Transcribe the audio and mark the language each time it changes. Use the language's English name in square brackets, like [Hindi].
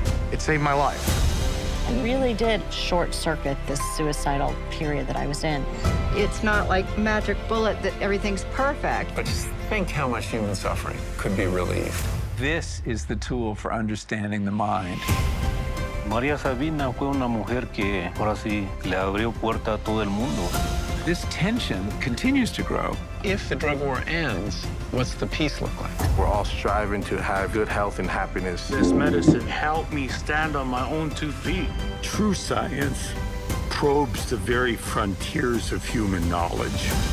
[English] It saved my life. I really did short circuit this suicidal period that I was in. It's not like magic bullet that everything's perfect. But just think how much human suffering could be relieved. This is the tool for understanding the mind. [Spanish] Maria Sabina fue una mujer que, por así, le abrió puerta a todo el mundo. [English] This tension continues to grow. If the drug war ends, what's the peace look like? We're all striving to have good health and happiness. This medicine helped me stand on my own 2 feet. True science probes the very frontiers of human knowledge.